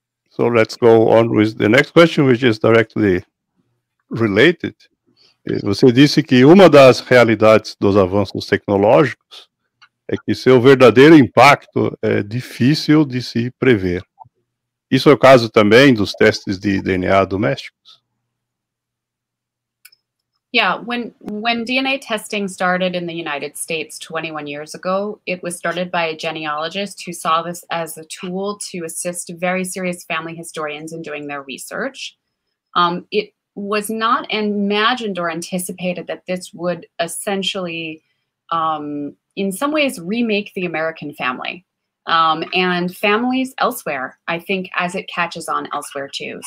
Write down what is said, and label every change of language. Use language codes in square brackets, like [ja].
[en] So let's go on with the next question, which is directly related. [pt] Você disse que uma das realidades dos avanços tecnológicos é que seu verdadeiro impacto é difícil de se prever. Isso é o caso também dos testes de DNA domésticos? [en] Yeah, when DNA testing started in the United States 21 years ago, it was started by a genealogist who saw this as a tool to assist very serious family historians in doing their research. It was not imagined or anticipated that this would essentially in some ways remake the American family and families elsewhere, I think, as it catches on elsewhere too.